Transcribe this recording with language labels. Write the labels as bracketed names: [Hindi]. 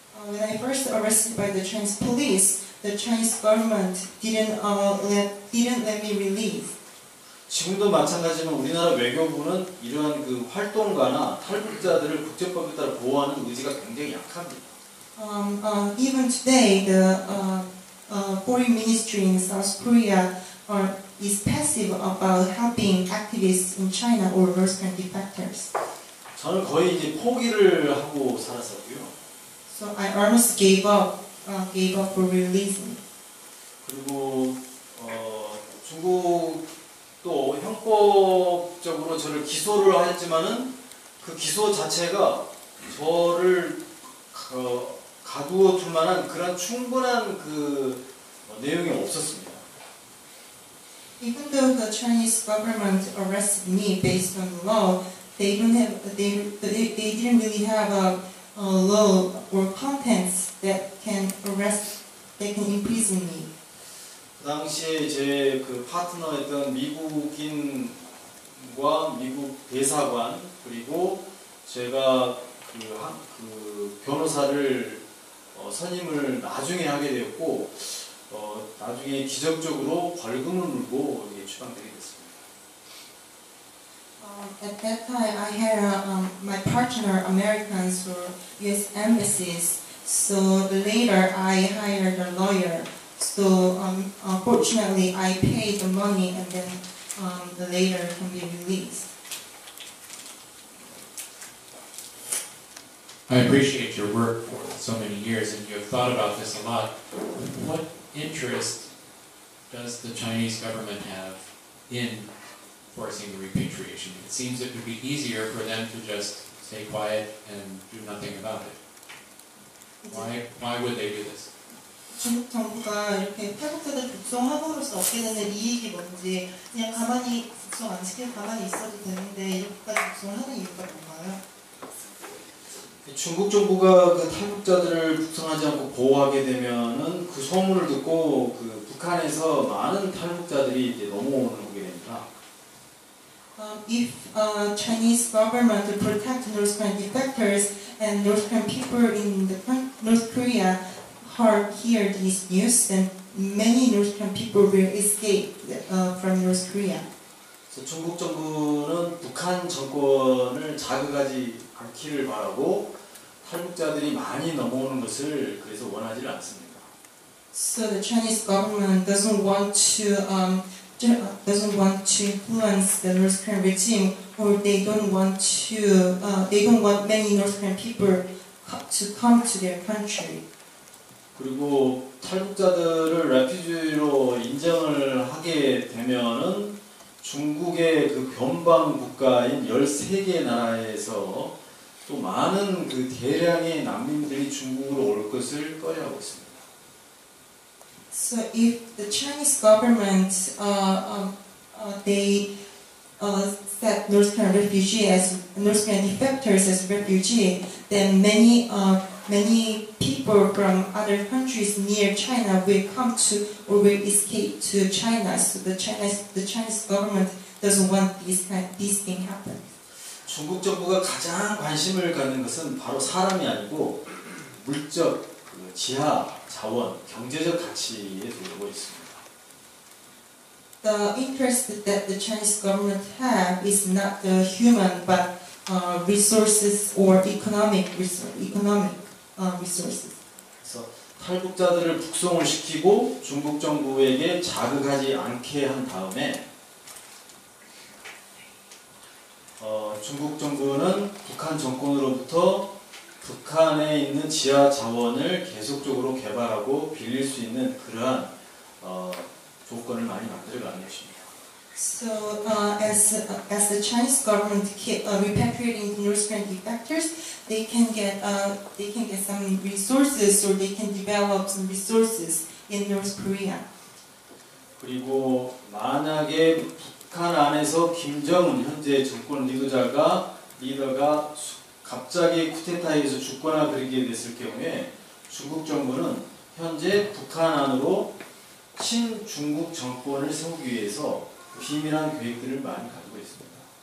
[English] When I first arrested by the Chinese police, the Chinese government didn't let me release. [Korean] 지금도 마찬가지지만 우리나라 외교부는 이러한 그 활동가나 탈북자들을 국제법에 따라 보호하는 의지가 굉장히 약합니다. [English] Even today, the foreign ministry in South Korea is passive about helping activists in China or Western defectors. [Korean] 저는 거의 이제 포기를 하고 살았었고요. [English] So I almost gave up for releasing. [Korean] 그리고 중국도 형법적으로 저를 기소를 했지만은 그 기소 자체가 저를 가두어 둘 만한 그런 충분한 그 내용이 없었습니다. [English] Even though the Chinese government arrested me based on the law, they didn't really have a law or contents that can arrest, that can imprison me. [Korean] 그 당시에 제 그 파트너였던 미국인과 미국 대사관 그리고 제가 그 변호사를 선임을 나중에 하게 되었고. 나중에 기적적으로 벌금을 물고 이게 추방되게 됐습니다. [English] At that time, I had my partner Americans or U.S. embassies. So later, I hired a lawyer. So fortunately, I paid the money, and then the later can be released. I appreciate your work for so many years, and you have thought about this a lot. What interest does the Chinese government have in forcing repatriation? It seems it would be easier for them to just stay quiet and do nothing about it. Why would they do this? [Korean] 중국 정부가 이렇게 탈북자들 북송함으로써 얻게 되는 이익이 뭔지 그냥 가만히 북송 안 시킬 가만히 있어도 되는데 이렇게까지 북송하는 이유가 뭔가요? 중국 정부가 그 탈북자들을 북송하지 않고 보호하게 되면은 그 소문을 듣고 그 북한에서 많은 탈북자들이 이제 넘어오는 게 됩니다. [English] If Chinese government protect North Korean defectors and North Korean people in the North Korea hear these news, then many North Korean people will escape from North Korea. [Korean] 중국 정부는 북한 정권을 자극하지 않기를 바라고 탈북자들이 많이 넘어오는 것을 그래서 원하지 않습니다. [English] So the Chinese government doesn't want to influence the North Korean regime, or they don't want many North Korean people to come to their country. [Korean] 그리고 탈북자들을 refugee로 인정을 하게 되면은 중국의 그 변방 국가인 13개 나라에서 또 많은 그 대량의 난민들이 중국으로 올 것을 꺼려하고 있습니다. [English] So if the Chinese government set North Korean refugees as North Korean defectors as refugees, then many people from other countries near China will come to or will escape to China. So the Chinese government doesn't want this thing happen. [Korean] 중국 정부가 가장 관심을 갖는 것은 바로 사람이 아니고 물적, 지하, 자원, 경제적 가치에 두고 있습니다. [English] The interest that the Chinese government have is not the human but resources or economic resources. [Korean] 그래서 탈북자들을 북송을 시키고 중국 정부에게 자극하지 않게 한 다음에 중국 정부는 북한 정권으로부터 북한에 있는 지하 자원을 계속적으로 개발하고 빌릴 수 있는 그러한 조건을 많이 만들어 가는 것입니다. [English] So as the Chinese government keep repatriating North Korean defectors, they can get some resources or they can develop some resources in North Korea. [Korean] 그리고 만약에 북한 안에서 김정은 현재 정권 리더가 갑자기 쿠데타에서 죽거나 그러게 됐을 경우에 중국 정부는 현재 북한 안으로 친중국 정권을 세우기 위해서 비밀한 계획들을 많이 가지고 있습니다.